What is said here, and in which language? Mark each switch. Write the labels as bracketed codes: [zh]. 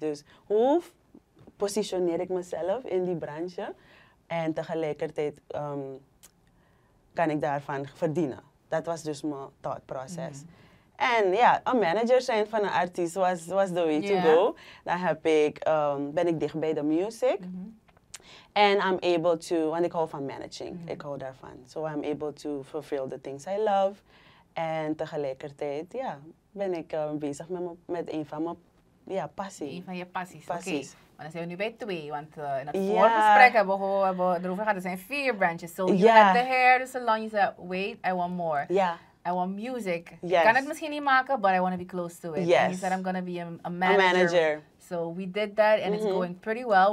[nl] Dus hoe positioneer ik mezelf in die branche en tegelijkertijd kan ik daarvan verdienen? Dat was dus mijn thought process. En ja, een manager zijn van een artiest was [en] the way to go. [nl] Dan ben ik dicht bij de music. En want ik hou van managing. Mm-hmm. Ik hou daarvan. [en] So I'm able to fulfill the things I love. [nl] En tegelijkertijd ben ik bezig met een van mijn passies. Een van je passies. Oké. Okay. Maar dan zijn we nu bij twee. Want voorgesprek hebben we erover gehad. Er zijn vier branches. [en] So you had the hair, the salon. [nl] Je zei, [en] wait, I want more. [nl] Ja. Yeah. [en] I want music. Yes. [nl] Kan ik misschien niet maken, [en] but I want to be close to it. Yes. And you said I'm going to be a manager. So we did that and it's going pretty well.